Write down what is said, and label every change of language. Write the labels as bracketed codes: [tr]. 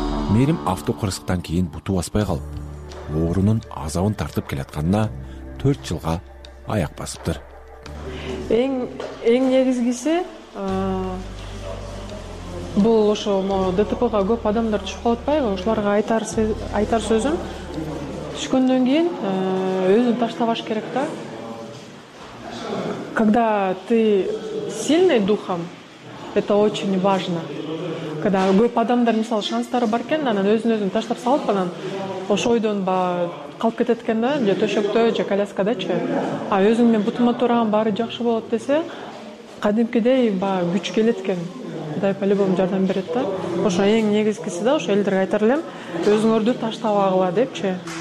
[ky] Мерим авто кырсыктан кийин буту баспай калып, оорунун азабын тартып келатканына 4 жылга аяк басыптыр. Эң негизгиси, бул ошо ДТП-га көп адамдар түшүп калат байбы? Ошоларга айтар сөзүм түшкөндөн кийин өзүн таштабаш керек да. [ru] Когда ты сильный духом, это очень важно. [ky] Когда көп адамдар мисалы шанстары бар экен да, анан өзүн таштап салып, анан ошо ойдон калып кетет экен да, же төшөктө, же коляскадачы. А өзүң менен бутума турган баары жакшы болот десе, кадимкидей баягы күч келет экен. Кудай по-любому жардам берет да. Ошо эң негизгиси да, ошо элдерге айтар элем, өзүңөрдү таштабагыла депчи.